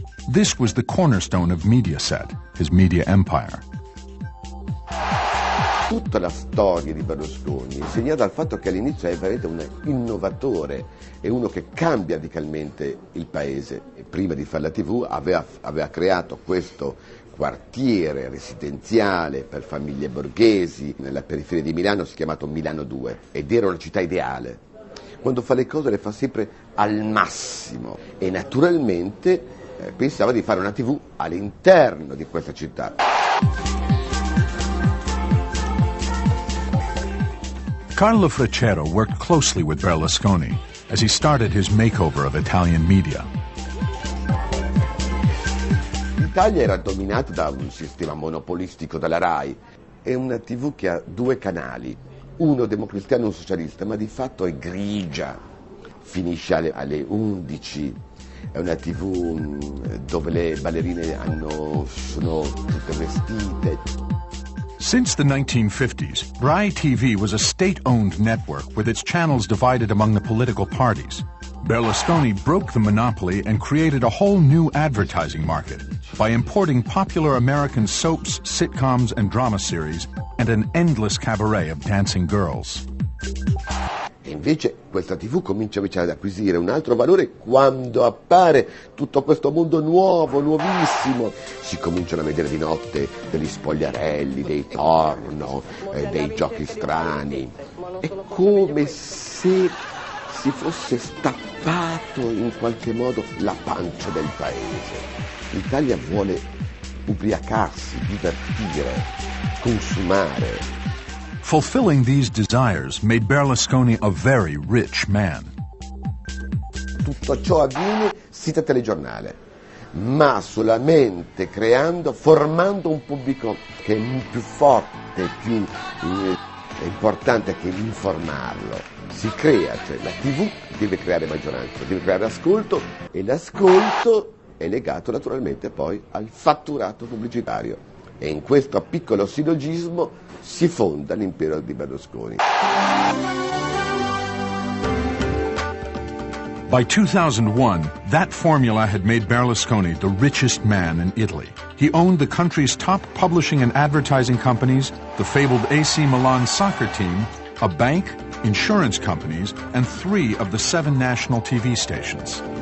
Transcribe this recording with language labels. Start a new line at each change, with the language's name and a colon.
English: This was the cornerstone of Mediaset, his media empire.
Italian: Tutta la storia di Berlusconi è segnata dal fatto che all'inizio è veramente un innovatore, è uno che cambia radicalmente il paese. Prima di fare la TV aveva creato questo quartiere residenziale per famiglie borghesi nella periferia di Milano, si è chiamato Milano 2, ed era una città ideale. Quando fa le cose le fa sempre al massimo e naturalmente pensava di fare una TV all'interno di questa città.
English: Carlo Frecero worked closely with Berlusconi as he started his makeover of Italian media.
Italian: L'Italia era dominata da un sistema monopolistico della RAI. È una TV che ha due canali, uno democristiano e uno socialista, ma di fatto è grigia. Finisce alle 11. È una TV dove le ballerine sono tutte vestite.
English: Since the 1950s, RAI TV was a state-owned network with its channels divided among the political parties. Berlusconi broke the monopoly and created a whole new advertising market by importing popular American soaps, sitcoms, and drama series and an endless cabaret of dancing girls.
Italian: Invece questa TV comincia invece ad acquisire un altro valore quando appare tutto questo mondo nuovo, nuovissimo. Si cominciano a vedere di notte degli spogliarelli, dei porno, dei giochi strani. È come se si fosse stappato in qualche modo la pancia del paese. L'Italia vuole ubriacarsi, divertire, consumare.
English: Fulfilling these desires made Berlusconi a very rich man.
Italian: Tutto ciò avviene sita telegiornale, ma solamente creando, formando un pubblico che è più forte, più importante che informarlo. Si crea, cioè la TV deve creare maggioranza, deve creare ascolto, e l'ascolto è legato naturalmente poi al fatturato pubblicitario. E in questo piccolo sillogismo si fonda l'impero di Berlusconi.
English: By 2001, that formula had made Berlusconi the richest man in Italy. He owned the country's top publishing and advertising companies, the fabled AC Milan soccer team, a bank, insurance companies, and three of the seven national TV stations.